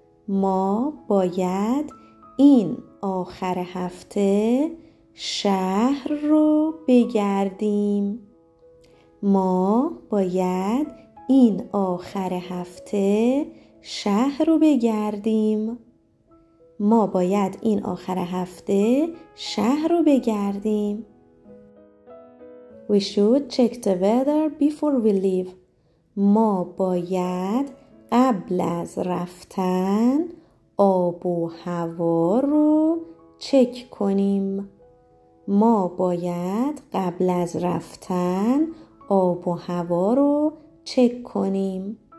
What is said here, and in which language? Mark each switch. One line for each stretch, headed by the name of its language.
Persian: ما باید این آخر هفته شهر رو بگردیم. ما باید این آخر هفته شهر رو بگردیم. ما باید این آخر هفته شهر رو بگردیم.
English: We should check the weather before we leave.
Persian: ما باید قبل از رفتن آب و هوا رو چک کنیم. ما باید قبل از رفتن آب و هوا رو چک کنیم.